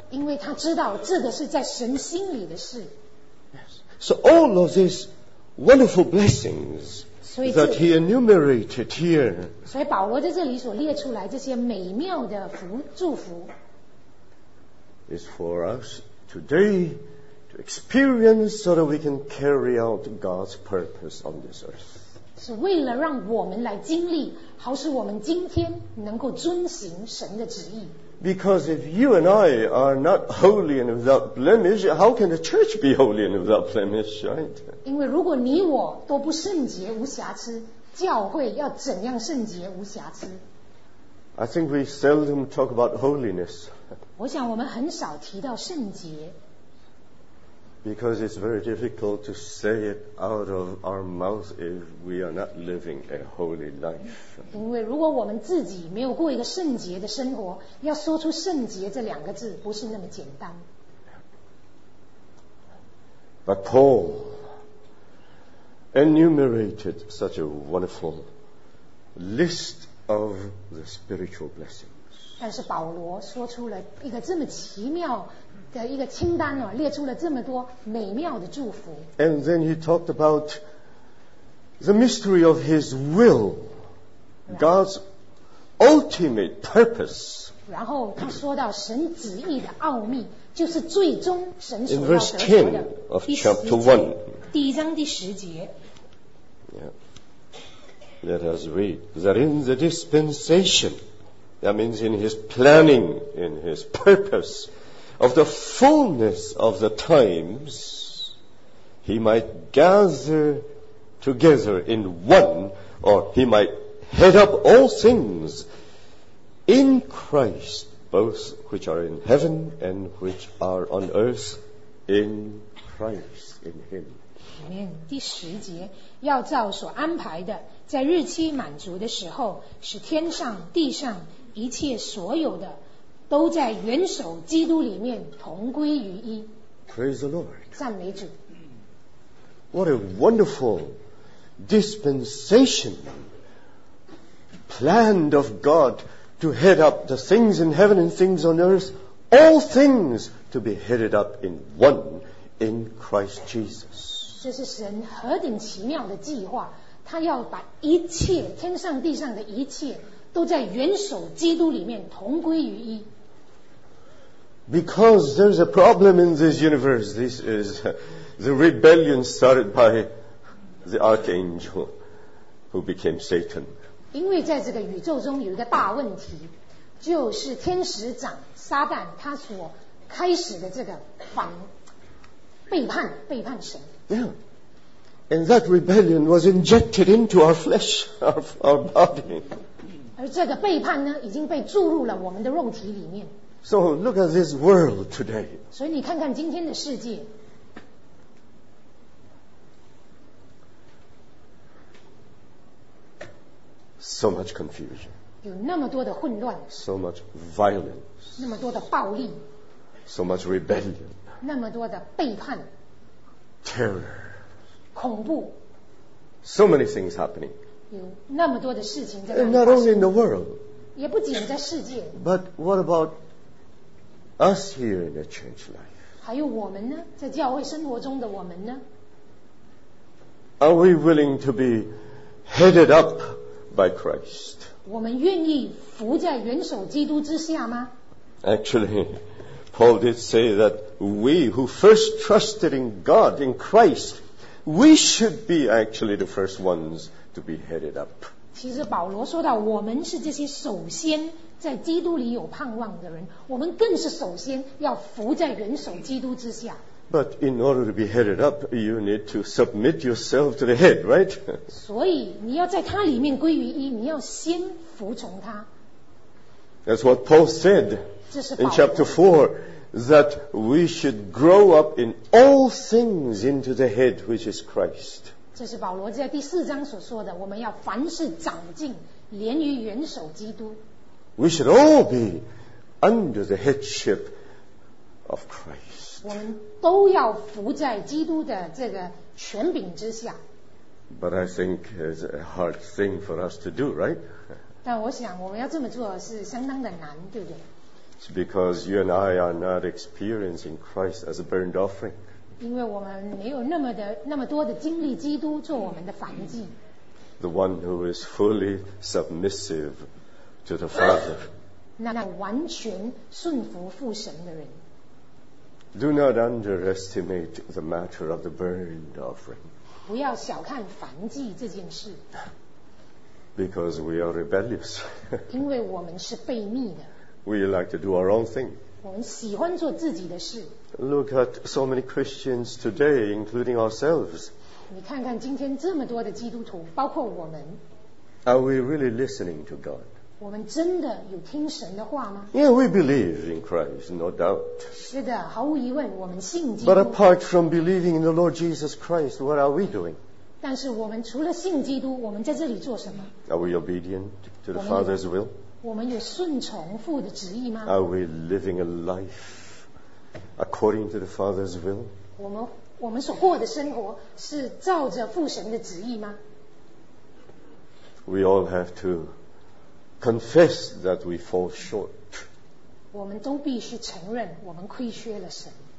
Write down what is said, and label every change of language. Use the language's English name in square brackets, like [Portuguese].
[Chinese] 因为他知道这个是在神心里的事。 [English] Yes. So all of these wonderful blessings that he enumerated here. [Chinese] 所以保罗在这里所列出来这些美妙的福祝福 [English] is for us today to experience so that we can carry out God's purpose on this earth. [Chinese] 是为了让我们来经历，好使我们今天能够遵行神的旨意。 [English] Because if you and I are not holy and without blemish, how can the church be holy and without blemish, right? [Chinese] 因为如果你我都不圣洁无瑕疵，教会要怎样圣洁无瑕疵？ [English] I think we seldom talk about holiness. [Chinese] 我想我们很少提到圣洁。 [English] Because it's very difficult to say it out of our mouth if we are not living a holy life. [Chinese] 因为如果我们自己没有过一个圣洁的生活，要说出圣洁这两个字不是那么简单。 [English] But Paul enumerated such a wonderful list of the spiritual blessings. [Chinese] 但是保罗说出了一个这么奇妙的一个清单哦，列出了这么多美妙的祝福。 [English] And then he talked about the mystery of his will, God's ultimate purpose. [Chinese] 然后他说到神旨意的奥秘，就是最终神所要得着的。 [English] In verse 10 of chapter 1. [Chinese] 第一章第十节。 [English] Yeah. Let us read that in the dispensation. That means in his planning, in his purpose, of the fullness of the times, he might gather together in one, or he might head up all things in Christ, both which are in heaven and which are on earth, in Christ, in him. [Chinese] 第十节要照所安排的在日期满足的时候使天上地上一切所有的都在元首基督里面同归于一 [English] Praise the Lord [Chinese] 赞美主 [English] What a wonderful dispensation planned of God to head up the things in heaven and things on earth all things to be headed up in one in Christ Jesus [Chinese] 这是神何等奇妙的计划他要把一切天上地上的一切都在元首基督里面同归于一 [English] Because there's a problem in this universe This is the rebellion started by the archangel who became Satan [Chinese] 因为在这个宇宙中有一个大问题就是天使长撒旦他所开始的这个反背叛神。 [English] Yeah. And that rebellion was injected into our flesh, our body. [Chinese] 而这个背叛呢，已经被注入了我们的肉体里面。 [English] So look at this world today. [Chinese] 所以你看看今天的世界。 [English] So much confusion. [Chinese] 有那么多的混乱。 [English] So much violence. [Chinese] 那么多的暴力。 [English] So much rebellion. [Chinese] 那么多的背叛。 [English] Terror. [Chinese] 恐怖。 [English] So many things happening. [Chinese] 有那么多的事情在发生。 [English] Not only in the world. [Chinese] 也不仅在世界。 [English] But what about us here in a church life? [Chinese] 还有我们呢？在教会生活中的我们呢？ [English] Are we willing to be headed up? By Christ. [Chinese] 我们愿意服在元首基督之下吗？ [English] Actually, Paul did say that we who first trusted in God, in Christ, we should be actually the first ones to be headed up. [Chinese] 其实保罗说到，我们是这些首先在基督里有盼望的人，我们更是首先要服在元首基督之下。 [English] But in order to be headed up, you need to submit yourself to the head, right? [Chinese] 所以你要在他里面归于一，你要先服从他。 [English] That's what Paul said in chapter 4, that we should grow up in all things into the head, which is Christ. [Chinese] 这是保罗在第四章所说的，我们要凡事长进，连于元首基督。 [English] We should all be under the headship of Christ. [Chinese] 我们都要服在基督的这个权柄之下。 [English] But I think it's a hard thing for us to do, right? [Chinese] 但我想我们要这么做是相当的难，对不对？ [English] It's because you and I are not experiencing Christ as a burnt offering. [Chinese] 因为我们没有那么多的经历基督做我们的燔祭。 [English] The one who is fully submissive to the Father. [Chinese] 那完全顺服父神的人。 [English] Do not underestimate the matter of the burnt offering. [Chinese] 不要小看燔祭这件事。 [English] Because we are rebellious. [Chinese] 因为我们是悖逆的。 [English] We like to do our own thing. [Chinese] 我们喜欢做自己的事。 [English] Look at so many Christians today, including ourselves. [Chinese] 你看看今天这么多的基督徒，包括我们。 [English] Are we really listening to God? [Chinese] 我们真的有听神的话吗？ [English] Yeah, we believe in Christ, no doubt. [Chinese] 是的，毫无疑问，我们信基督。 [English] But apart from believing in the Lord Jesus Christ, what are we doing? [Chinese] 但是我们除了信基督，我们在这里做什么？ [English] Are we obedient to the Father's will? [Chinese] 我们有顺从父的旨意吗？ [English] Are we living a life according to the Father's will? [Chinese] 我们所过的生活是照着父神的旨意吗？ [English] We all have to. Confess that we fall short. [Chinese] 我们都必须承认我们亏缺了神。